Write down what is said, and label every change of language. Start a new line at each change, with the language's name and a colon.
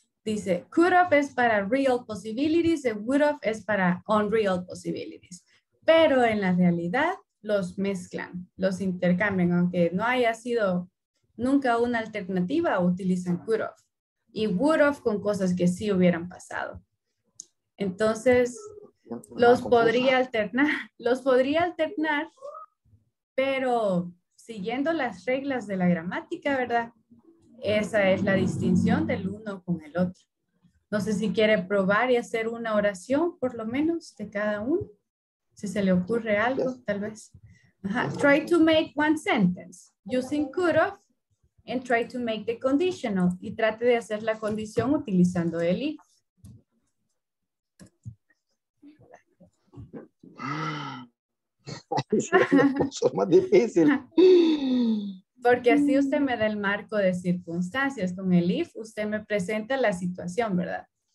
Spanish: Dice, could have es para real possibilities, and would have es para unreal possibilities. Pero en la realidad, los mezclan, los intercambian. Aunque no haya sido nunca una alternativa, utilizan could have. Y would have con cosas que sí hubieran pasado. Entonces, los podría alternar, pero siguiendo las reglas de la gramática, ¿verdad? Esa es la distinción del uno con el otro. No sé si quiere probar y hacer una oración, por lo menos, de cada uno. Si se le ocurre algo, tal vez. Ajá.
English: Try to make one sentence using could have. And try to make the conditional.
Spanish: Y trate de hacer la condición utilizando el if. Eso es más difícil. Porque así usted me da el marco de circunstancias. Con el if, usted me presenta la situación, ¿verdad?